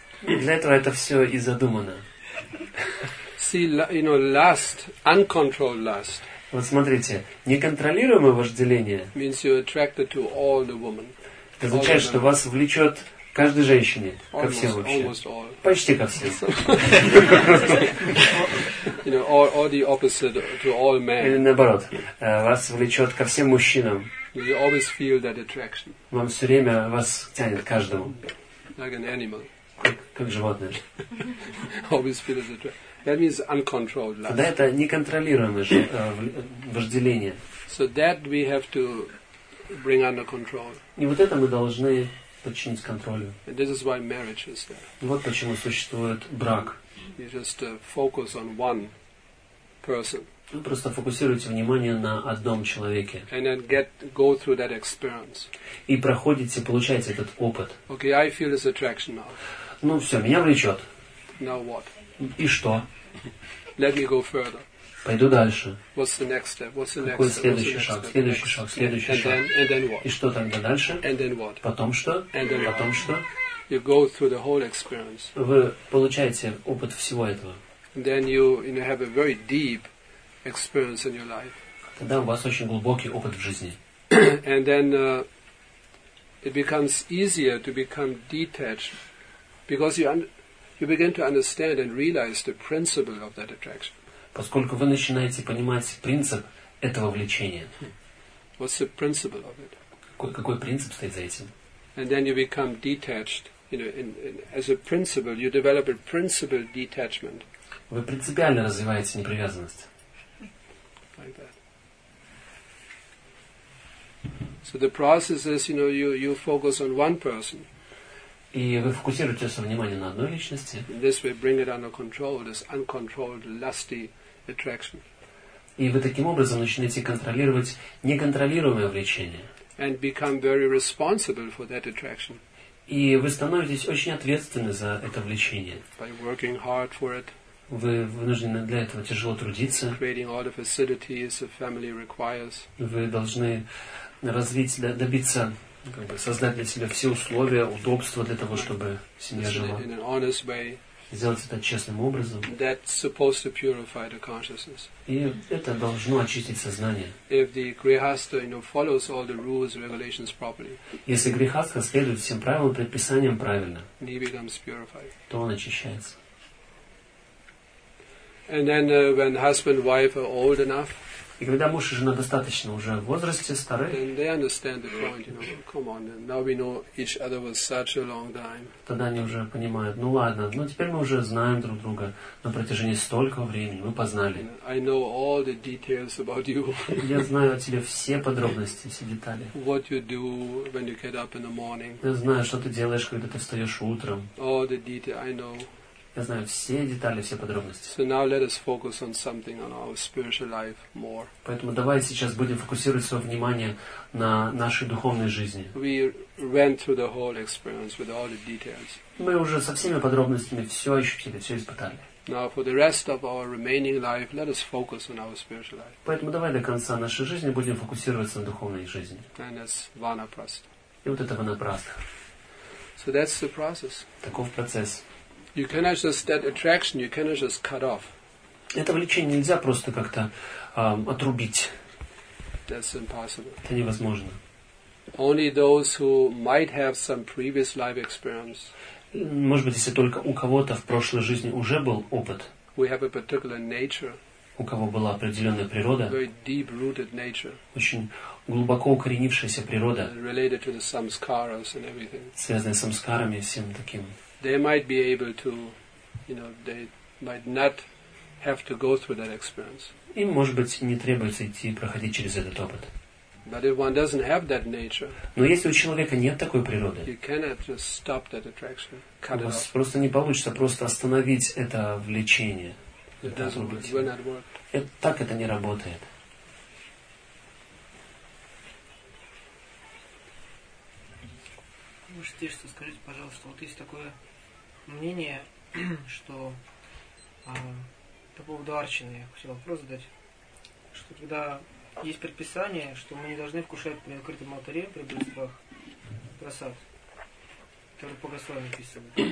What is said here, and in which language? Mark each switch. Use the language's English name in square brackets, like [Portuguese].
[Russian] Для этого это все и задумано. [English] See, you know, lust, uncontrolled lust. [Russian] Вот смотрите, неконтролируемое вожделение. [English] Means you're attracted to all the women. [Russian] Это означает, что вас влечет каждой женщине, ко всем вообще. Почти ко всем. [English] You know, or the opposite to all men. [Russian] Или наоборот, вас влечет ко всем мужчинам. [English] You always feel that attraction. [Russian] Вам все время вас тянет к каждому. [English] Like an animal. [Russian] Как животное. [English] Always feel that attraction. That means uncontrolled lust. [Russian] Да, это неконтролируемое вожделение. [English] So that we have to bring under control. [Russian] И вот это мы должны подчинить контролю. [English] And this is why marriage is there. [Russian] Вот почему существует брак. [English] You just focus on one person. [Russian] Вы просто фокусируете внимание на одном человеке. [English] And then go through that experience. [Russian] И проходите, получаете этот опыт. [English] Okay, I feel this attraction now. [Russian] Ну все, меня влечет. [English] Now what? [Russian] И что? [English] Let me go further. [Russian] Пойду дальше. [English] What's the next step? What's the [Russian] Какой [English] next step? [Russian] Следующий шаг? Следующий шаг, следующий [English] and [Russian] шаг. [English] And then what? [Russian] И что тогда дальше? [English] And then what? [Russian] Потом что? [English] And then [Russian] потом [English] what? [Russian] Что? [English] You go through the whole experience. [Russian] Вы получаете опыт всего этого. [English] And then you have a very deep experience in your life. [Russian] Тогда у вас очень глубокий опыт в жизни. [English] And then it becomes easier to become detached because you you begin to understand and realize the principle of that attraction. [Russian] Поскольку вы начинаете понимать принцип этого влечения. [English] What's the principle of it? [Russian] Какой принцип стоит за этим? [English] And then you become detached, you know, as a principle, you develop a principle detachment. [Russian] Вы принципиально развиваете непривязанность. [English] Like that. So the process is, you know, you focus on one person. [Russian] И вы фокусируете свое внимание на одной личности. [English] This way bring it under control, this uncontrolled, lusty attraction. [Russian] И вы таким образом начинаете контролировать неконтролируемое влечение. [English] And become very responsible for that attraction. [Russian] И вы становитесь очень ответственны за это влечение. [English] By working hard for it. [Russian] Вы вынуждены для этого тяжело трудиться. [English] Creating all the facilities a family requires. [Russian] Вы должны развить, добиться, как бы создать для себя все условия, удобства для того, чтобы семья жила. [English] In an honest way. [Russian] Сделать это честным образом. [English] That's supposed to purify the consciousness. [Russian] И это должно очистить сознание. [English] If the grihastha, you know, follows all the rules, regulations properly. [Russian] Если грихастха следует всем правилам, предписаниям правильно, [English] he becomes purified. [Russian] То он очищается. [English] And then when husband and wife are old enough. [Russian] И когда муж и жена достаточно уже в возрасте стары, [English] then they understand the point, you know, come on, now we know each other for such a long time. [Russian] Тогда они уже понимают, ну ладно, ну теперь мы уже знаем друг друга на протяжении столько времени, мы познали. [English] I know all the details about you. [Russian] Я знаю о тебе все подробности, все детали. [English] What you do when you get up in the morning. [Russian] Я знаю, что ты делаешь, когда ты встаешь утром. [English] All the details, I know. [Russian] Я знаю все детали, все подробности. [English] So now let us focus on something on our spiritual life more. [Russian] Поэтому давай сейчас будем фокусировать свое внимание на нашей духовной жизни. [English] We went through the whole experience with all the details. [Russian] Мы уже со всеми подробностями все ощутили, все испытали. [English] Now for the rest of our remaining life, let us focus on our spiritual life. [Russian] Поэтому давай до конца нашей жизни будем фокусироваться на духовной жизни. [English] And that's vanaprastha. [Russian] И вот это ванапрастха. [English] So that's the process. [Russian] Таков процесс. [English] You cannot just that attraction. You cannot just cut off. [Russian] Это влечение нельзя просто как-то отрубить. [English] That's impossible. [Russian] Это невозможно. [English] Only those who might have some previous life experience. [Russian] Может быть, если только у кого-то в прошлой жизни уже был опыт. [English] We have a particular nature. [Russian] У кого была определенная природа. [English] Very deep-rooted nature. [Russian] Очень глубоко укоренившаяся природа. [English] Related to the samskaras and everything. [Russian] Связанная с самскарами и всем таким. [English] They might be able to, you know, they might not have to go through that experience. [Russian] Им, может быть, не требуется идти проходить через этот опыт. [English] But if one doesn't have that nature, [Russian] но если у человека нет такой природы, [English] you cannot just stop that attraction, cut it off. [Russian] Просто не получится просто остановить это влечение. [English] It doesn't work. Will not work. [Russian] Так это не работает. Можете что скажите, пожалуйста, вот есть такое мнение, что по поводу арчины я хотел вопрос задать, что когда есть предписание, что мы не должны вкушать при открытом алтаре, при божествах просад, который богословие написано.